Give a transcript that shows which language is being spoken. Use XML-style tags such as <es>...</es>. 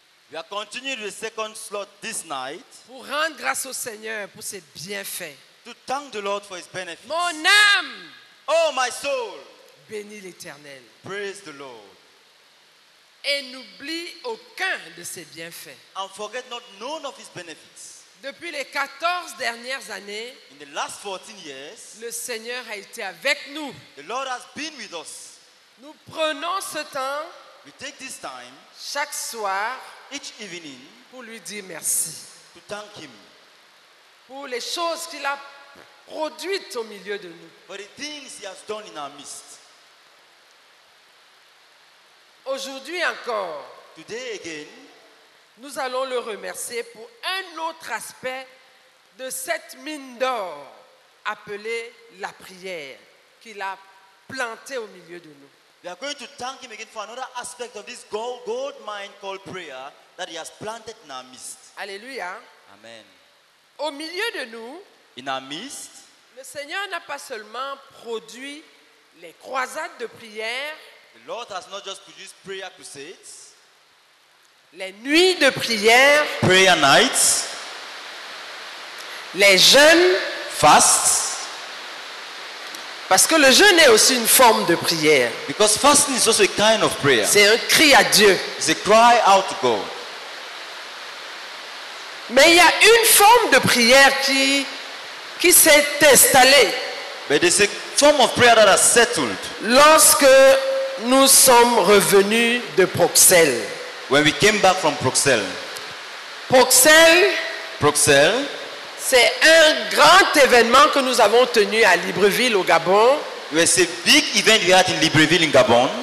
<en>We are continuing the second slot this night.</en> <fr>Pour rendre grâce au Seigneur pour ses bienfaits.</fr> <en>To thank the Lord for his benefits.</en> <fr>Mon âme.</fr> <en>Oh my soul.</en> <fr>Bénis l'Éternel.</fr> <en>Praise the Lord.</en> <fr>Et n'oublie aucun de ses bienfaits.</fr> <en>And forget not none of his benefits.</en> <fr>Depuis les 14 dernières années,</fr> <en>in the last 14 years,</en> <fr>le Seigneur a été avec nous.</fr> <en>The Lord has been with us.</en> <fr>Nous prenons ce temps,</fr> <en>we take this time,</en> <fr>chaque soir,</fr> <en>each evening,</en> <fr>pour lui dire merci.</fr> <en>To thank him.</en> <fr>Pour les choses qu'il a produites au milieu de nous.</fr> <en>For the things he has done in our midst.</en> <fr>Aujourd'hui encore,</fr> <en>today again,</en> <fr>nous allons le remercier pour un autre aspect de cette mine d'or appelée la prière qu'il a plantée au milieu de nous.</fr> <en>We are going to thank him again for another aspect of this gold mine called prayer that he has planted in our midst.</en> <fr>Alléluia.</fr> <en>Amen.</en> <fr>Au milieu de nous,</fr> <en>in our midst,</en> <fr>le Seigneur n'a pas seulement produit les croisades de prière.</fr> <en>The Lord has not just produced prayer crusades.</en> <fr>Les nuits de prière,</fr> <en>prayer nights,</en> <fr>Les jeûnes</fr> <en>fast.</en> <fr>Parce que le jeûne est aussi une forme de prière.</fr> <en>Because fasting is also a kind of prayer.</en> <fr>C'est un cri à Dieu.</fr> <en>It's a cry out to God.</en> <fr>Mais il y a une forme de prière qui s'est installée.</fr> <en>But there's a form of prayer that has settled.</en> <fr>Lorsque nous sommes revenus de Bruxelles.</fr> <en>When we came back from Bruxelles.</en> <fr>Bruxelles. C'est un grand événement que nous avons tenu à Libreville au Gabon.</fr> <en>It's a big event we had in Libreville in Gabon.</en>